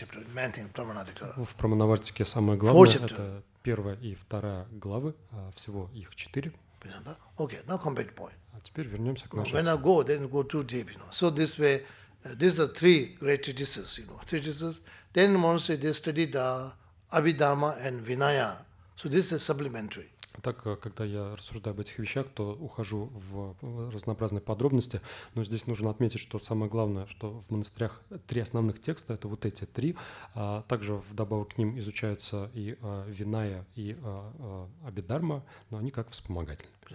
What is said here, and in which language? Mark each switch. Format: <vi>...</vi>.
<ru>В Прамановартике самое главное — это первая и вторая главы, всего их четыре.</ru> <en>Okay, now come back to point.</en> <ru>А теперь вернемся к нашей.</ru> <en>When I go, then go too deep, you know. So this way, these are three great treatises, you know, treatises. Then monastery they study the Abhidharma and Vinaya. So this is supplementary.</en> <ru>Так, когда я рассуждаю об этих вещах, то ухожу в разнообразные подробности. Но здесь нужно отметить, что самое главное, что в монастырях три основных текста — это вот эти три. Также вдобавок к ним изучаются и Виная, и Абхидхарма, но они как вспомогательные.</ru>